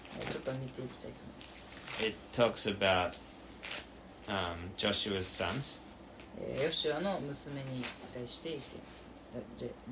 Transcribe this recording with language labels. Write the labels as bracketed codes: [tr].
[ja] ちょっと見ていきたいと思います。 [en] It talks about Joshua's sons. [ja] ヨシュアの娘に対して言っています。